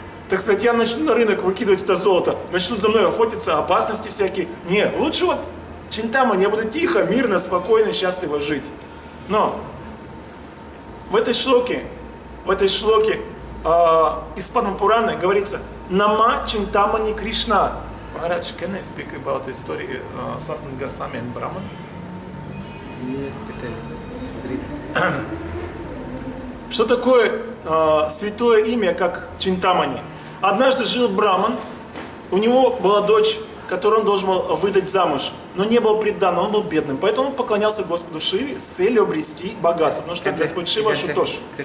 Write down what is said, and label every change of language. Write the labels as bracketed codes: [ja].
[ru] Так сказать, я начну на рынок выкидывать это золото, начнут за мной охотиться, опасности всякие. Не, лучше вот Чинтамани, я буду тихо, мирно, спокойно, счастливо жить. Но в этой шлоке из Падмапураны говорится «Нама Чинтамани Кришна». [en] Maharaj, can I speak about the story of Sanatana Goswami and Brahman? [ru] Что такое святое имя, как Чинтамани? Однажды жил Брахман, у него была дочь, которую он должен был выдать замуж, но не был предан, он был бедным. Поэтому он поклонялся Господу Шиве с целью обрести богатство, потому что Господь Шива Ашутош.